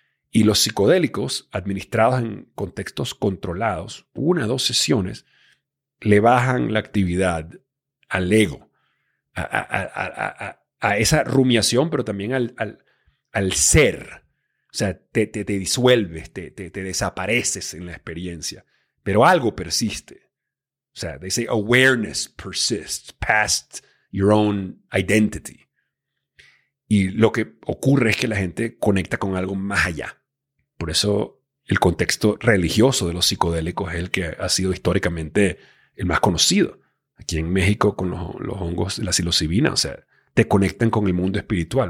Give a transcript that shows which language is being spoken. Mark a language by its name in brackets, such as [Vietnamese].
[Spanish] Y los psicodélicos, administrados en contextos controlados, una o dos sesiones, le bajan la actividad al ego. A esa rumiación, pero también al ser. O sea, te disuelves, te desapareces en la experiencia. Pero algo persiste. O sea, [English] they say awareness persists past your own identity. [Spanish] Y lo que ocurre es que la gente conecta con algo más allá. Por eso el contexto religioso de los psicodélicos es el que ha sido históricamente el más conocido. Aquí en México con los hongos, la psilocibina, o sea, te conectan con el mundo espiritual.